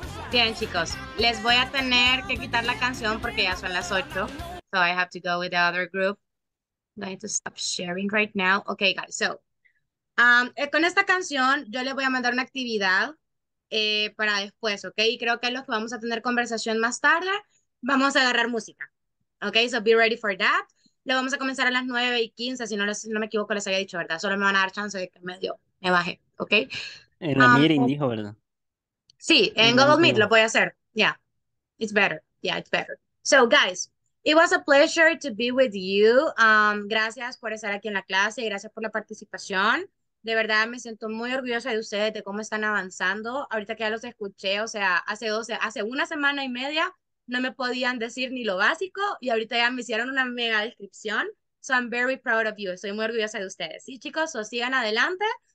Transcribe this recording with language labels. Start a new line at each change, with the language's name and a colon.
Spanish: Bien, chicos, les voy a tener que quitar la canción porque ya son las 8.
English: So I have to go with the other group. I'm going to stop sharing right now. Okay, guys, so
Spanish: Con esta canción, yo les voy a mandar una actividad para después, ¿ok? Y creo que es lo que vamos a tener conversación más tarde. Vamos a agarrar música, ¿ok?
English: So be ready for that.
Spanish: Lo vamos a comenzar a las 9 y 15, si no me equivoco, les había dicho, ¿verdad? Solo me van a dar chance de que me baje, ¿ok? En la meeting dijo, ¿verdad? Sí, En en la Google Meet última. lo voy a hacer.
English: Yeah, it's better. Yeah, it's better. So, guys, it was a pleasure to be with you.
Spanish: Gracias por estar aquí en la clase y gracias por la participación. De verdad, me siento muy orgullosa de ustedes, de cómo están avanzando. Ahorita que ya los escuché, o sea, hace una semana y media no me podían decir ni lo básico y ahorita ya me hicieron una mega descripción.
English: So I'm very proud of you.
Spanish: Estoy muy orgullosa de ustedes. Sí, chicos, so sigan adelante.